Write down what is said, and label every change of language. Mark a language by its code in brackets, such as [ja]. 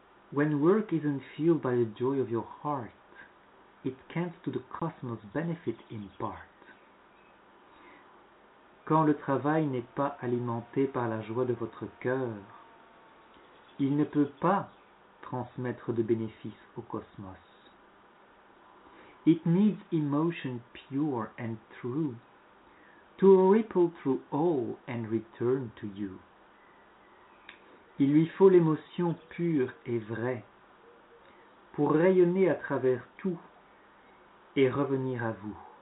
[en] When work isn't fueled by the joy of your heart, it can't to the cosmos benefit in part. [fr] Quand le travail n'est pas alimenté par la joie de votre cœur, il ne peut pas transmettre de bénéfices au cosmos. [en] It needs emotion pure and true to ripple through all and return to you. [fr] Il lui faut l'émotion pure et vraie pour rayonner à travers tout et revenir à vous.